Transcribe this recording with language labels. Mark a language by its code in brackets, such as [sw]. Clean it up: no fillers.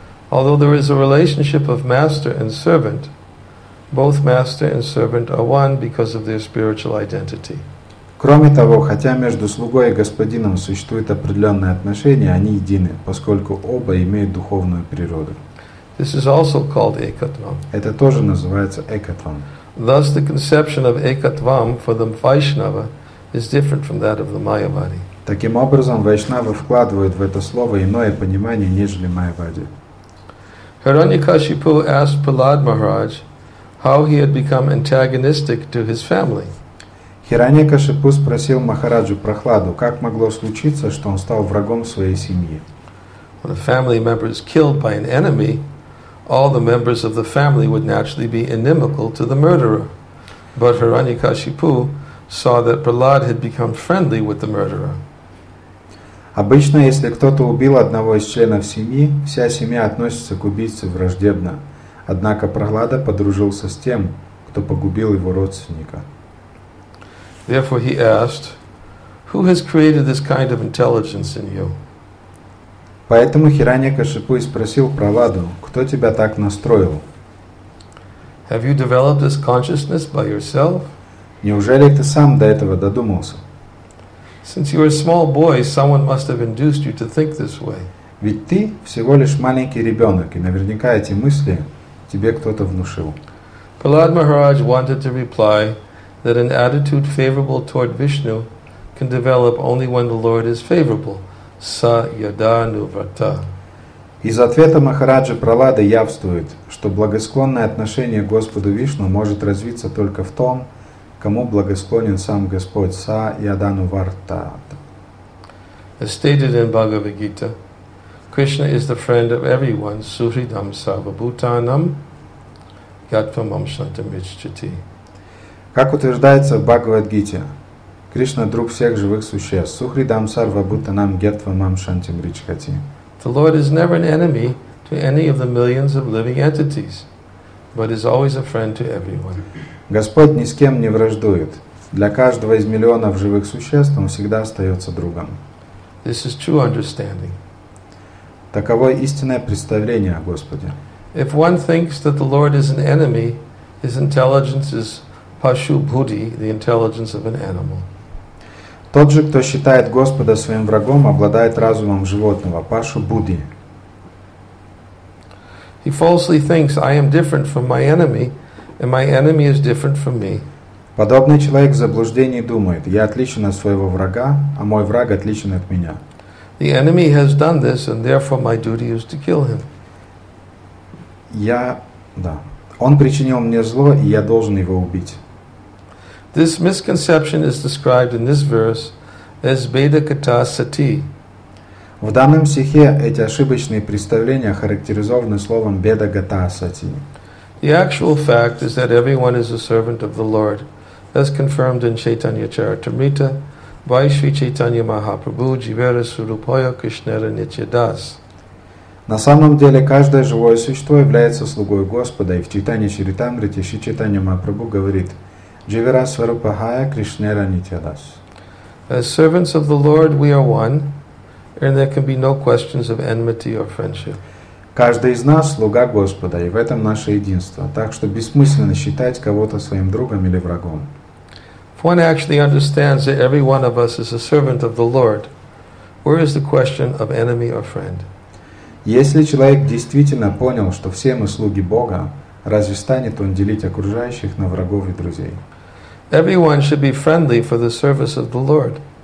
[en] Although there is a relationship of master and servant, both master and servant are one because of their spiritual identity. [ru] Кроме того, хотя между слугой и господином существует определенное отношение, они едины, поскольку оба имеют духовную природу. [en] This is also called Ekatvam. [ru] Это тоже называется Ekatvam. [en] Thus the conception of Ekatvam for the Vaishnava is different from that of the Mayavadi. [ru] Таким образом, Вайшнавы вкладывают в это слово иное понимание, нежели Майявади. [en] Hiranyakashipu asked Prahlad Maharaj how he had become antagonistic to his family. [ru] Хираньякашипу спросил Махараджу Прахладу, как могло случиться, что он стал врагом своей семьи. [en] When a family member is killed by an enemy, all the members of the family would naturally be inimical to the murderer. But Hiranyakashipu saw that Prahlad had become friendly with the murderer. [ru] Обычно, если кто-то убил одного из членов семьи, вся семья относится к убийце враждебно. Однако Прахлада подружился с тем, кто погубил его родственника. [en] Therefore he asked, who has created this kind of intelligence in you? [ru] Поэтому Хираньякашипу спросил Прахладу, кто тебя так настроил? [en] Have you developed this consciousness by yourself? [ru] Неужели ты сам до этого додумался? [en] Since you were a small boy, someone must have induced you to think this way. [ru] Ведь ты всего лишь маленький ребенок, и наверняка эти мысли тебе кто-то внушил. [en] Prahlad Maharaj wanted to reply that an attitude favorable toward Vishnu can develop only when the Lord is favorable. [sa] Sa yada nuvrata. [ru] Из ответа Махараджи Пралады явствует, что благосклонное отношение к Господу Вишну может развиться только в том, кому благосклонен сам Господь. [sa] Sa yada nuvrata. [en] As stated in Bhagavad Gita, Krishna is the friend of everyone. [sa] Suhridam sarvabhutanam yatvamam shantamichchati. [ru] Как утверждается в Бхагавад-гите, Кришна – друг всех живых существ. [sa] Сухридам сарва бутанам гетва мам шантим ричхати. [en] The Lord is never an enemy to any of the millions of living entities, but is always a friend to everyone. [ru] Господь ни с кем не враждует. Для каждого из миллионов живых существ Он всегда остается другом. [en] This is true understanding. [ru] Таково истинное представление о Господе. [en] If one thinks that the Lord is an enemy, his intelligence is Pashu Buddhi, the intelligence of an animal. [ru] Тот же, кто считает Господа своим врагом, обладает разумом животного, Пашу Будди. [en] He falsely thinks I am different from my enemy, and my enemy is different from me. [ru] Подобный человек в заблуждении думает, я отличен от своего врага, а мой враг отличен от меня. [en] The enemy has done this, and therefore my duty is to kill him. [ru] Он причинил мне зло, и я должен его убить. [en] This misconception is described in this verse as Beda Kata Sati. [ru] В данном стихе эти ошибочные представления характеризованы словом Беда Гата Сати. [en] The actual fact is that everyone is a servant of the Lord, as confirmed in Chaitanya Charitamrita by Sri Chaitanya Mahaprabhu [bn] Jivera Surupaya Krishnera Nityadas. [ru] На самом деле, каждое живое существо является слугой Господа, и в Чайтанья Чаритамрите Шри Чайтанья Махапрабху говорит [bn] «Дживера сварупахая Кришнера нитядас». [en] As servants of the Lord, we are one, and there can be no questions of enmity or friendship. [ru] Каждый из нас – слуга Господа, и в этом наше единство, так что бессмысленно считать кого-то своим другом или врагом. [en] If one actually understands that every one of us is a servant of the Lord, where is the question of enemy or friend? [ru] Если человек действительно понял, что все мы слуги Бога, разве станет он делить окружающих на врагов и друзей? [en] Everyone should be friendly for the service of the Lord.